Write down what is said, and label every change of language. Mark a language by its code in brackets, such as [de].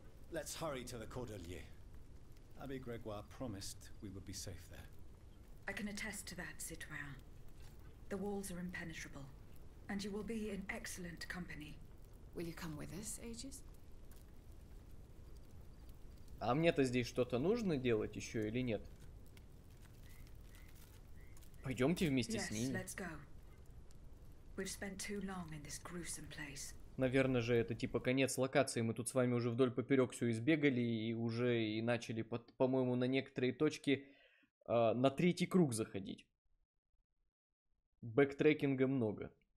[en] Let's hurry to the Cordelier. Abbé Grégoire promised we would be safe there. I can attest to that, Citoyen. The walls are impenetrable, and you will be in excellent company. Will you come with us, Aegis? [ru] А мне-то здесь что-то нужно делать еще или нет? Пойдемте вместе [en] yes, [ru] с ними. [en] Let's go. We've spent too long in this gruesome place. [ru] Наверное же, это типа конец локации. Мы тут с вами уже вдоль поперек все избегали и уже и начали, по-моему, на некоторые точки на третий круг заходить. Бэктрекинга много.